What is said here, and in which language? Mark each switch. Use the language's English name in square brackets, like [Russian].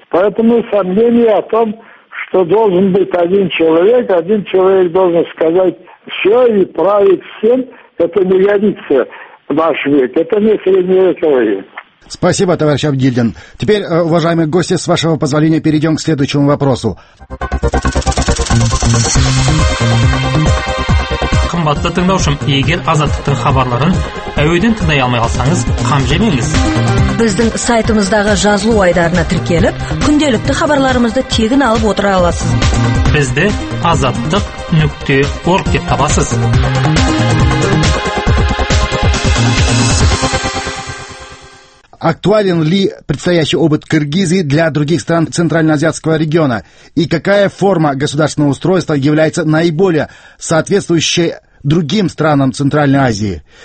[Russian] Поэтому сомнения о том, что должен быть один человек должен сказать все и править всем, это не годится в наш век, это не средневековье. Спасибо, товарищ Абдильдин. Теперь, уважаемые гости, с вашего позволения перейдем к следующему вопросу. [Kazakh] Қымбатты тыңдаушым, егер азаттықтың хабарларын әуеден тыңдай алмай қалсаңыз, қам жемеңіз. Біздің сайтымыздағы жазылу айдарына тіркеліп, күнделікті хабарларымызды тегін алып отыра аласыз. Бізді azattik.org деп табасыз. [Russian] Актуален ли предстоящий опыт Кыргызии для других стран Центральноазиатского региона? И какая форма государственного устройства является наиболее соответствующей другим странам Центральной Азии?